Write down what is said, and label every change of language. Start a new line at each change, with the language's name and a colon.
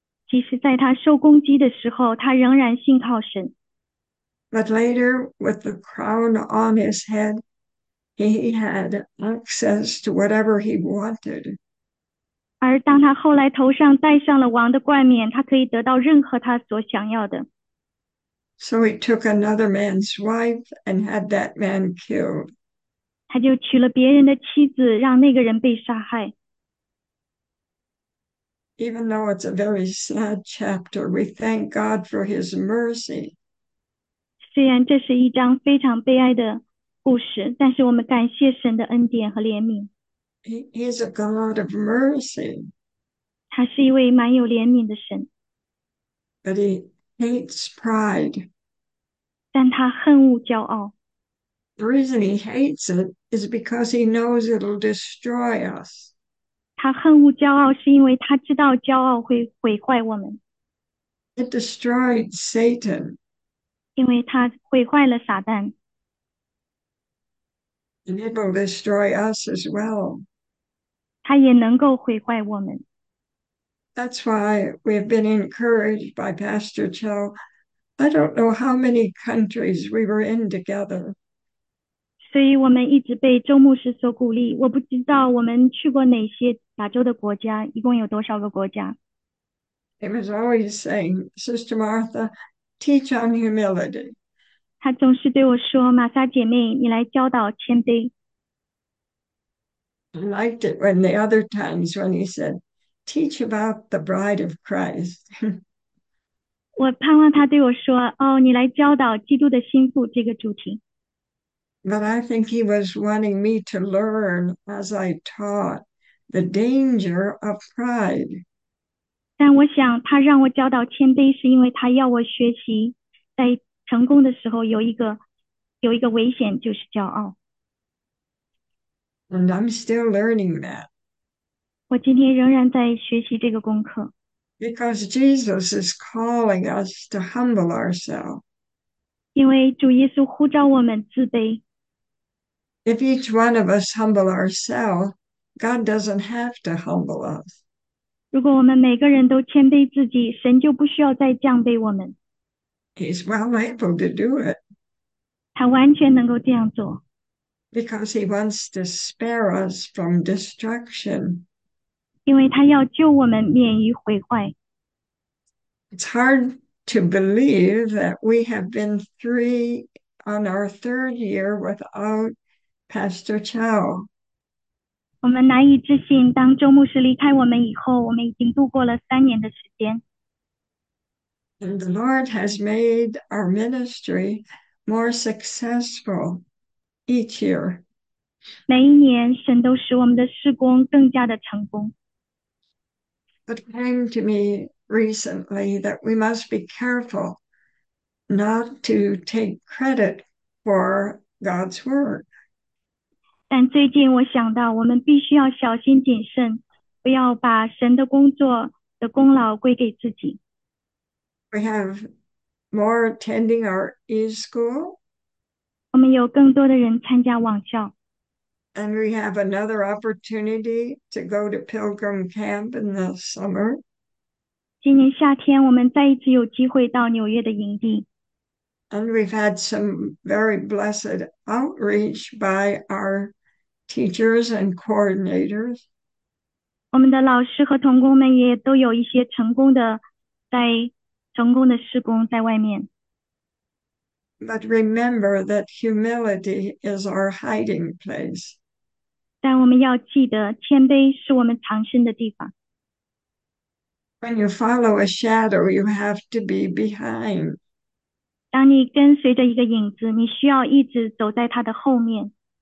Chinese: 即使在他受攻击的时候，他仍然信靠神。
English: But later, with the crown on his head, he had access to whatever he wanted.
Chinese: 而当他后来头上戴上了王的冠冕，他可以得到任何他所想要的。
English: So he took another man's wife and had that man killed.
Chinese: 他就娶了别人的妻子，让那个人被杀害。
English: Even though it's a very sad chapter, we thank God for his mercy.
Chinese: 虽然这是一章非常悲哀的故事，但是我们感谢神的恩典和怜悯。
English: He is a God of mercy.
Chinese: 他是一位蛮有怜悯的神，
English: But he hates pride.
Chinese: 但他恨恶骄傲。
English: The reason he hates it is because he knows it'll destroy us.
Chinese: 他恨恶骄傲，是因为他知道骄傲会毁坏我们。
English: It destroyed Satan.
Chinese: 因为他毁坏了撒旦，
English: And it will destroy us as well.
Chinese: 他也能够毁坏我们。
English: That's why we have been encouraged by Pastor Cho. I don't know how many countries we were in together.
Chinese: 所以我们一直被周牧师所鼓励。我不知道我们去过哪些亚洲的国家，一共有多少个国家。
English: He was always saying, Sister Martha, teach on humility.
Chinese: 他总是对我说：“玛莎姐妹，你来教导谦卑。
English: I liked it when the other times when he said, teach about the bride of Christ.
Chinese: ”我盼望他对我说：“哦，你来教导基督的心腹这个主题。
English: But I think he was wanting me to learn as I taught the danger of pride.
Chinese: 但我想，他让我教导谦卑，是因为他要我学习，在成功的时候有一个危险，就是骄傲。
English: And I'm still learning that.
Chinese: 我今天仍然在学习这个功课。
English: Because Jesus is calling us to humble ourselves.
Chinese: 因为主耶稣呼召我们自卑。
English: If each one of us humble ourselves, God doesn't have to humble us.
Chinese: 如果我们每个人都谦卑自己，神就不需要再降卑我们。
English: He's well able to do it.
Chinese: 他完全能够这样做。
English: Because he wants to spare us from destruction.
Chinese: 因为他要救我们免于毁坏。
English: It's hard to believe that we have been three on our third year without Pastor Chow.
Chinese: 我们难以置信，当周牧师离开我们以后，我们已经度过了3年的时间。
English: And the Lord has made our ministry more successful. Each year.
Chinese: 每一年，神都使我们的事工更加的成功。
English: But it came to me recently that we must be careful not to take credit for God's work.
Chinese: 但最近我想到，我们必须要小心谨慎，不要把神的工作的功劳归给自己。
English: We have more attending our e-school.
Chinese: 我们有更多的人参加网校。
English: And we have another opportunity to go to Pilgrim Camp in the summer.
Chinese: 今年夏天，我们再一次有机会到纽约的营地。
English: And we've had some very blessed outreach by our teachers and coordinators.
Chinese: 我们的老师和同工们也都有一些成功的施工在外面。
English: But remember that humility is our hiding place.
Chinese: 但我们要记得，谦卑是我们藏身的地方。
English: When you follow a shadow, you have to be behind.
Chinese: 当你跟随着一个影子，你需要一直走在它的后面。